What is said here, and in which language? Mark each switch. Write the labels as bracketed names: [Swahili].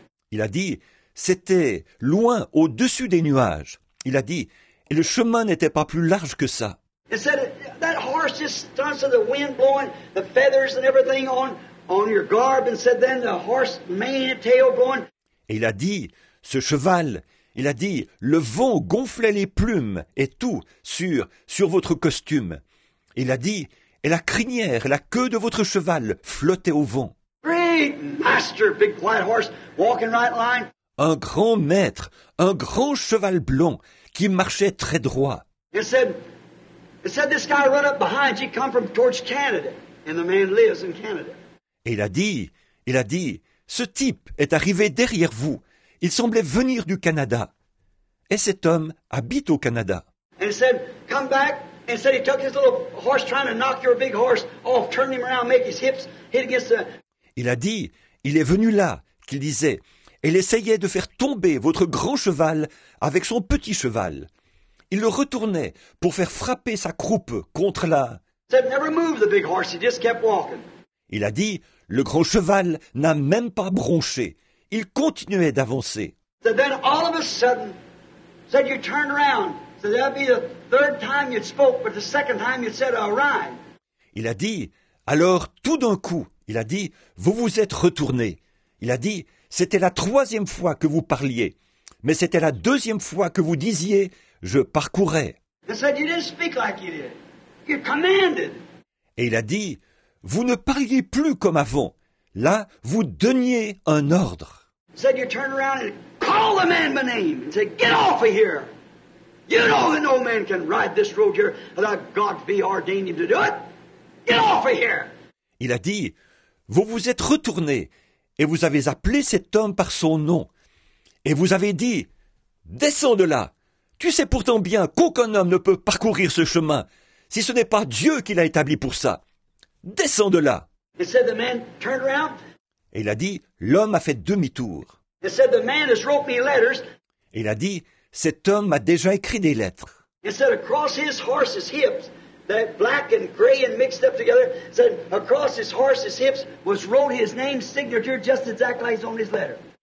[French] Il a dit, c'était loin au-dessus des nuages. Il a dit, et le chemin n'était pas plus large que ça. Il a dit, [English] that horse just starts with the wind blowing, the feathers and everything on. On your garb and said then the horse mane and tail blowing. [French] Et il a dit, ce cheval, il a dit, le vent gonflait les plumes et tout sur votre costume. Il a dit, et la crinière, la queue de votre cheval flottait au vent. [English] Great master, big white horse, walking right line. [French] un grand maître, un grand cheval blond qui marchait très droit. [English] It said this guy run up behind you, come from towards Canada, and the man lives in Canada. [French] Et il a dit, ce type est arrivé derrière vous. Il semblait venir du Canada. Et cet homme habite au Canada. [English] And said, come back. And said he took his little horse, trying to knock your big horse off, turn him around, make his hips hit against the. [French] Il a dit, il est venu là, qu'il disait, et il essayait de faire tomber votre grand cheval avec son petit cheval. Il le retournait pour faire frapper sa croupe contre la. [English] Said never move the big horse. He just kept walking. [French] Il a dit, le grand cheval n'a même pas bronché. Il continuait d'avancer. [English] Said then all of a sudden, said you turned around. Said that'd be the third time you'd spoke, but the second time you'd said a rhyme. [French] Il a dit, alors tout d'un coup, il a dit, vous vous êtes retourné. Il a dit, c'était la troisième fois que vous parliez, mais c'était la deuxième fois que vous disiez. Je parcourais. [English] He said, you didn't speak like you did. You commanded. [French] Et il a dit, vous ne parliez plus comme avant. Là, vous donniez un ordre. [English] He said, you turn around and call the man by name and say, get off of here. You know that no man can ride this road here without God be ordaining to do it. Get off of here. [French] Il a dit, vous vous êtes retourné et vous avez appelé cet homme par son nom. Et vous avez dit, descends de là. Tu sais pourtant bien qu'aucun homme ne peut parcourir ce chemin si ce n'est pas Dieu qui l'a établi pour ça. Descends de là. [English] He said the man turned around. [French] Et il a dit, l'homme a fait demi-tour. [English] He said the man has wrote me letters. [French] Et il a dit, cet homme m'a déjà écrit des lettres. [English] He said across his horse's hips, that black and gray and mixed up together, said across his horse's hips was wrote his name signature just exactly as on his letter.